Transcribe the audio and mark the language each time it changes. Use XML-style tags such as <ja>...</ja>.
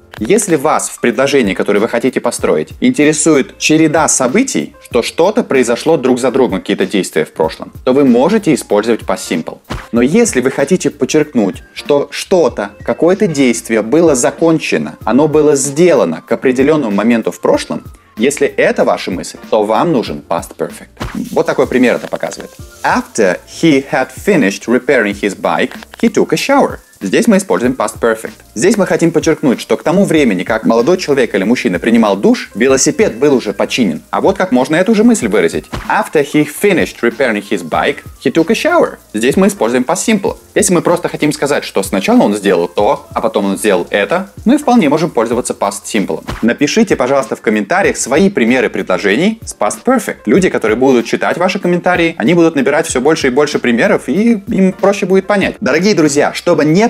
<ru>Если вас в предложении, которое вы хотите построить, интересует череда событий, что что-то произошло друг за другом, какие-то действия в прошлом, то вы можете использовать past simple. Но если вы хотите подчеркнуть, что что-то, какое-то действие было закончено, оно было сделано к определенному моменту в прошлом, если это ваша мысль, то вам нужен past perfect. Вот такой пример это показывает.</ru> <en>After he had finished repairing his bike, he took a shower.</en> <ru>Здесь мы используем past perfect. Здесь мы хотим подчеркнуть, что к тому времени, как молодой человек или мужчина принимал душ, велосипед был уже починен. А вот как можно эту же мысль выразить.</ru> <en>After he finished repairing his bike, he took a shower.</en> <ru>Здесь мы используем past simple. Если мы просто хотим сказать, что сначала он сделал то, а потом он сделал это, мы вполне можем пользоваться past simple. Напишите, пожалуйста, в комментариях свои примеры предложений с past perfect. Люди, которые будут читать ваши комментарии, они будут набирать все больше и больше примеров, и им проще будет понять. Дорогие друзья, чтобы не</ru>